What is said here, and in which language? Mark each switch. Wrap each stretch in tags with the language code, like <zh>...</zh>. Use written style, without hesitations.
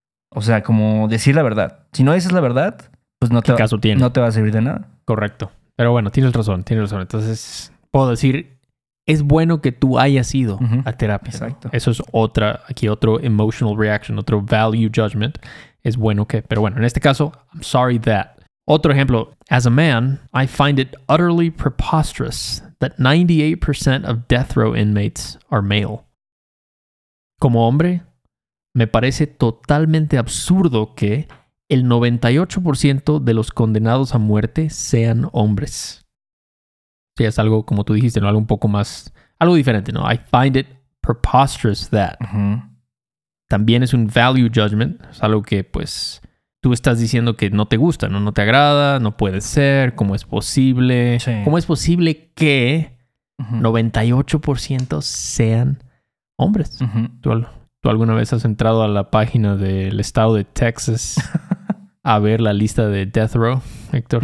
<es>O sea, como decir la verdad. Si no dices la verdad, pues no te va a servir de nada. Correcto. Pero bueno, tienes razón. Entonces, puedo decir, es bueno que tú hayas ido, uh-huh, a terapia. Exacto. ¿No? Eso es otro</es> <en>emotional reaction,</en> <es>otro</es> <en>value judgment.</en> <es>Es bueno que, pero bueno, en este caso,</es> <en>I'm sorry that.</en> <es>Otro ejemplo.</es> <en>As a man, I find it utterly preposterous that 98% of death row inmates are male.</en> <es>Como hombre, me parece totalmente absurdo que el 98% de los condenados a muerte sean hombres. Sí, es algo, como tú dijiste, ¿no? Algo un poco más, algo diferente, ¿no?</es> <en>I find it preposterous that. Uh-huh.</en> <es>También es un</es> <en>value judgment.</en> <es>Es algo que, pues, tú estás diciendo que no te gusta, ¿no? No te agrada, no puede ser, ¿cómo es posible? Sí. ¿Cómo es posible que 98% sean hombres? Uh-huh. ¿Tú alguna vez has entrado a la página del estado de Texas a ver la lista de</es> <en>death row,</en> <es>Héctor?</es>